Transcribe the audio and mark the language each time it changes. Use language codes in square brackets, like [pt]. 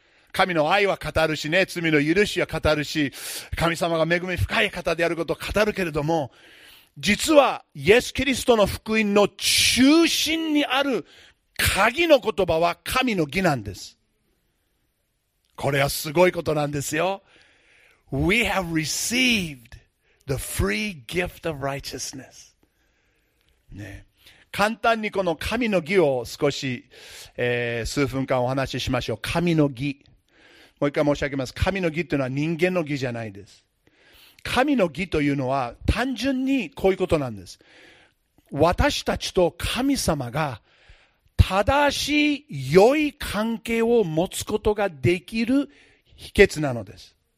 [ja] 神の愛は語るしね、罪の許しは語るし、神様が恵み深い方であることを語るけれども、実はイエス・キリストの福音の中心にある鍵の言葉は神の義なんです。これはすごいことなんですよ。 [en] We have received the free gift of righteousness. [ja] ね。簡単にこの神の義を少し、数分間お話ししましょう。神の義。もう一回申し上げます。神の義というのは人間の義じゃないです。神の義というのは単純にこういうことなんです。私たちと神様が正しい良い関係を持つことができる秘訣なのです。